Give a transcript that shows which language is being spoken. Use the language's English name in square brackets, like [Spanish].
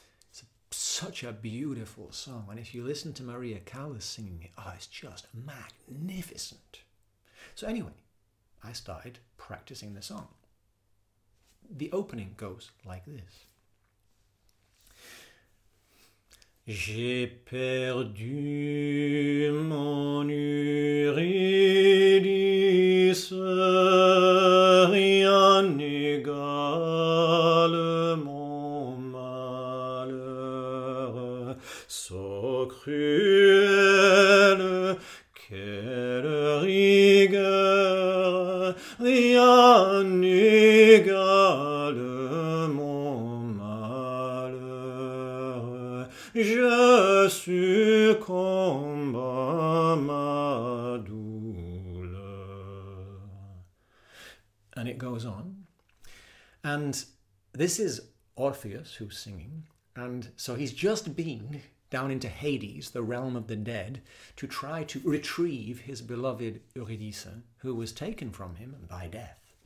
[English] It's such a beautiful song. And if you listen to Maria Callas singing it, oh, it's just magnificent. So anyway, I started practicing the song. The opening goes like this. [French] J'ai perdu mon Eurydice, rien n'égale mon malheur, sans cruelle, quelle rigueur. the anigale mon malheur. Je succombe à ma douleur. [English] And it goes on. And this is Orpheus who's singing. And so he's just been down into Hades, the realm of the dead, to try to retrieve his beloved Eurydice, who was taken from him by death.